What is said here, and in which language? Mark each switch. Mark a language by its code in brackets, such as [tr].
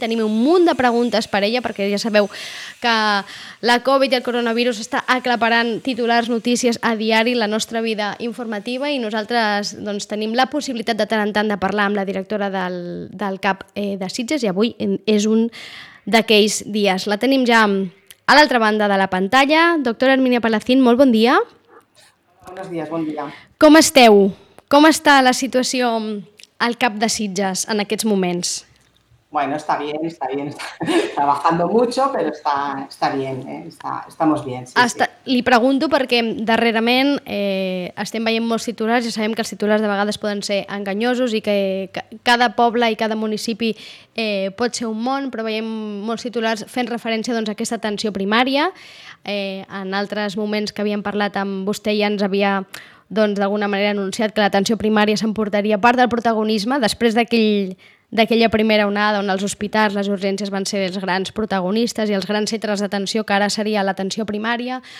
[ca] Tenim un munt de preguntes per ella, perquè ja sabeu que la Covid i el coronavirus està aclaparant titulars, notícies a diari, la nostra vida informativa, i nosaltres doncs, tenim la possibilitat de tant en tant de parlar amb la directora del CAP de Sitges, i avui és un d'aquells dies. La tenim ja a l'altra banda de la pantalla. Doctora Hermínia Palacín, molt bon dia. Bons dies, bon dia. Com esteu? Com està la situació al CAP de Sitges en aquests moments? [es] Bueno, está bien, está bien. Está bajando mucho, pero está bien. Estamos bien, sí. [ca] Li pregunto perquè darrerament estem veient molts titulars. Ja sabem que els titulars de vegades poden ser enganyosos i que cada poble i cada municipi pot ser un món, però veiem molts titulars fent referència doncs, a aquesta atenció primària. En altres moments que havíem parlat amb vostè ja ens havia doncs, d'alguna manera anunciat que l'atenció primària s'emportaria part del protagonisme després d'aquella primera onada on els hospitals, les urgències van ser els grans protagonistes i els grans centres d'atenció, que ara seria l'atenció primària.